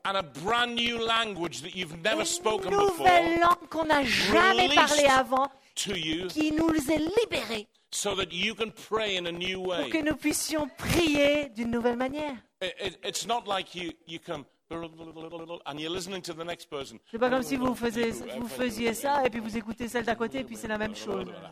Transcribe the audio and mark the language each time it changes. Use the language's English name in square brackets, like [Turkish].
[English] And a brand new language that you've never spoken before. [French] Une nouvelle langue qu'on n'a jamais parlé avant. [English] To you. [French] Qui nous est libérée. [English] So that you can pray in a new way. [French] Pour que nous puissions prier d'une nouvelle manière. [English] It's not like you come and you're listening to the next person. [French] C'est pas comme si vous faisiez ça et puis vous écoutez celle d'à côté et puis c'est la même chose.